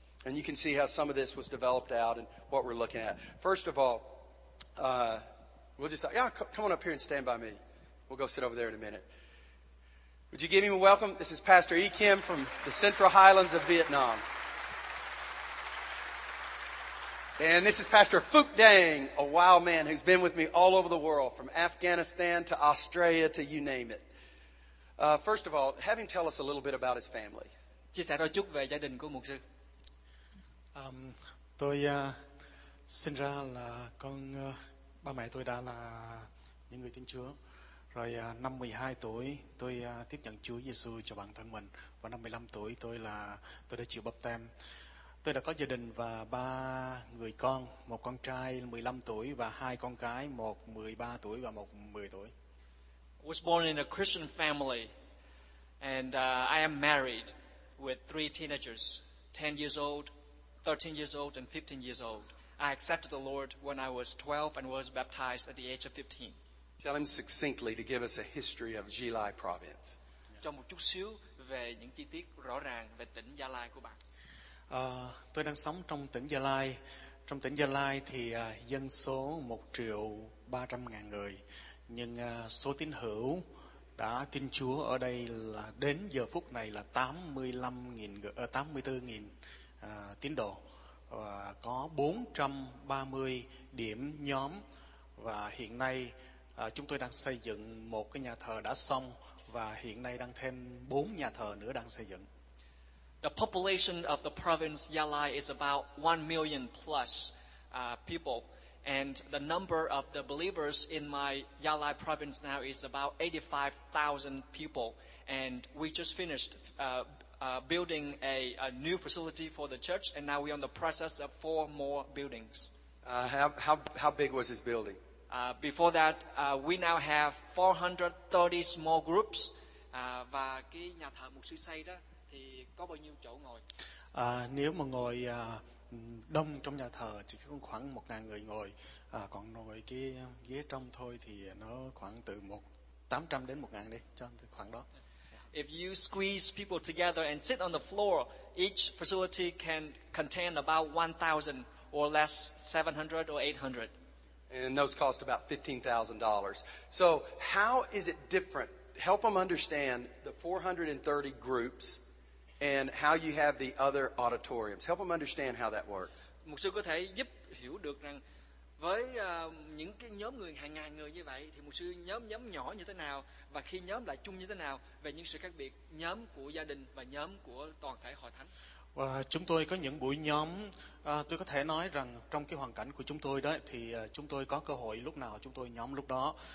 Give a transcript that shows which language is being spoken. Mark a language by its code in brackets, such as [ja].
[en] And you can see how some of this was developed out and what we're looking at. First of all, we'll just, yeah, come on up here and stand by me. We'll go sit over there in a minute. Would you give him a welcome? This is Pastor E. Kim from the Central Highlands of Vietnam. And this is Pastor Phuc Dang, a wild man who's been with me all over the world, from Afghanistan to Australia to you name it. First of all, have him tell us a little bit about his family. [vi] Chia sẻ đôi chút về gia đình của mục sư. Tôi sinh ra là con, ba mẹ tôi đã là những người tin Chúa. Rồi năm 12 tuổi tôi tiếp nhận Chúa Giêsu cho bản thân mình. Và năm 15 tuổi tôi đã chịu bắp tem. Tôi đã có gia đình và ba người con, một con trai 15 tuổi và hai con gái, một 13 tuổi và một 10 tuổi. [en] I was born in a Christian family and I am married with three teenagers, 10 years old, 13 years old and 15 years old. I accepted the Lord when I was 12 and was baptized at the age of 15. Tell him succinctly to give us a history of Gia Lai province. [vi] Cho một chút xíu về những chi tiết rõ ràng về tỉnh Gia Lai của bạn. Tôi đang sống trong tỉnh Gia Lai. Trong tỉnh Gia Lai thì dân số 1.300.000 người. Nhưng số tín hữu đã tin Chúa ở đây là đến giờ phút này là 84.000 tín đồ. Có 430 điểm nhóm. Và hiện nay chúng tôi đang xây dựng một cái nhà thờ đã xong. Và hiện nay đang thêm 4 nhà thờ nữa đang xây dựng. [en] The population of the province Gia Lai is about 1 million plus people, and the number of the believers in my Gia Lai province now is about 85,000 people. And we just finished building a new facility for the church, and now we're on the process of 4 more buildings. How big was this building? Before that, we now have 430 small groups. [vi] Và cái nhà thờ mục sư xây đó. Thì có bao nhiêu chỗ ngồi? Nếu mà ngồi đông trong nhà thờ thì có khoảng 1.000 người ngồi, còn ngồi cái ghế trong thôi thì nó khoảng từ 800 đến 1.000 đi, cho từ khoảng đó. [en] If you squeeze people together and sit on the floor, each facility can contain about 1,000 or less, 700 or 800. And those cost about $15,000. So how is it different? Help them understand the 430 groups and how you have the other auditoriums. Help them understand how that works. [vi] Mục sư có thể giúp hiểu được rằng với những cái nhóm người hàng ngàn người như vậy thì mục sư nhóm nhỏ như thế nào và khi nhóm lại chung như thế nào về những sự khác biệt nhóm của gia đình và nhóm của toàn thể hội thánh. Và chúng tôi có những buổi nhóm, tôi có thể nói rằng trong cái hoàn cảnh của chúng tôi đó thì chúng tôi có cơ hội lúc nào chúng tôi nhóm lúc đó.